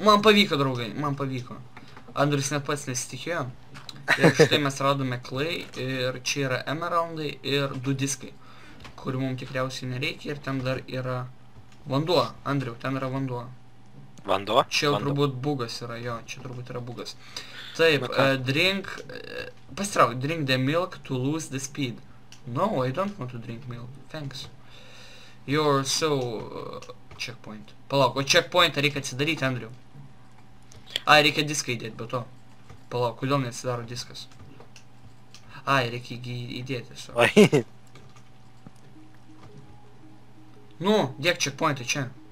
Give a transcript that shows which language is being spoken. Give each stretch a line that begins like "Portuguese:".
Lithuanian: Man pavyko, draugai, man pavyko. Andrius net pats nesitikėjo. Ir štai mes radome clay, ir čia yra emeraldai, ir du diskai, kurių mums tikriausiai nereikia, ir ten dar yra vanduo. Andriu, ten yra vanduo. Vanduo? Čia jau turbūt bugas yra, jo, čia turbūt yra bugas. Taip, drink... Pasitrauk,
English: drink the milk to lose the speed. No, I don't want to drink milk, thanks. You're so... checkpoint.
Lithuanian: Palauk, o checkpointą reikia atsidaryti, Andriu. Ai, reikia diską įdėti, be to. Palauk, kodėl neatsidaro diskas? Ai, reikia jį įdėti tiesiog. Nu, dėk checkpointą čia.